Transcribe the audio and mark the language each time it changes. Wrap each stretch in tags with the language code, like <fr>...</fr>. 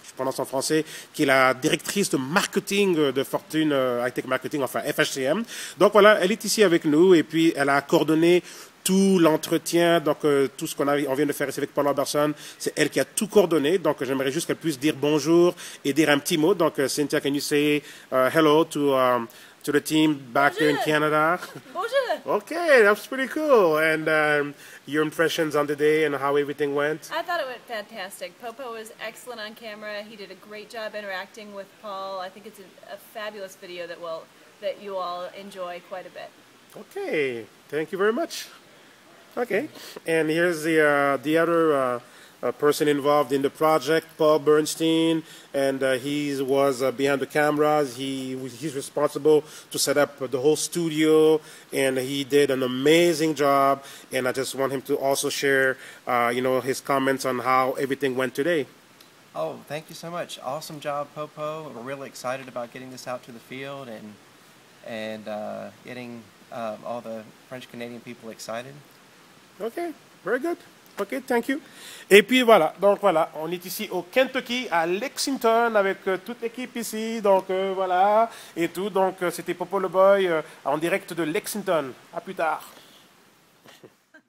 <fr>Pendant son français, qui est la directrice de marketing de Fortune High Tech Marketing, enfin FHTM. Donc voilà, elle est ici avec nous et puis elle a coordonné tout l'entretien, donc tout ce qu'on vient de faire ici avec Paul Anderson. C'est elle qui a tout coordonné. Donc j'aimerais juste qu'elle puisse dire bonjour et dire un petit mot.</fr> <en>Donc Cynthia, can you say hello to the team back</en> <fr>bonjour.</fr> <en>In Canada?</en> <fr>Bonjour.</fr> <en>Okay, that's pretty cool. And your impressions on the day and how everything went? I thought it went fantastic. Popo was excellent on camera. He did a great job interacting with Paul. I think it's a fabulous video that you all enjoy quite a bit. Okay, thank you very much. Okay, and here's the other person involved in the project, Paul Bernstein, and he was behind the cameras. He's responsible to set up the whole studio, and he did an amazing job. And I just want him to also share, you know, his comments on how everything went today. Oh, thank you so much. Awesome job, Popo. We're really excited about getting this out to the field and getting all the French Canadian people excited. Okay, very good. Ok, thank you.</en> <fr>Et puis voilà, donc voilà, on est ici au Kentucky, à Lexington, avec toute l'équipe ici, donc voilà, et tout. Donc c'était Popo le Boy en direct de Lexington. À plus tard.</fr>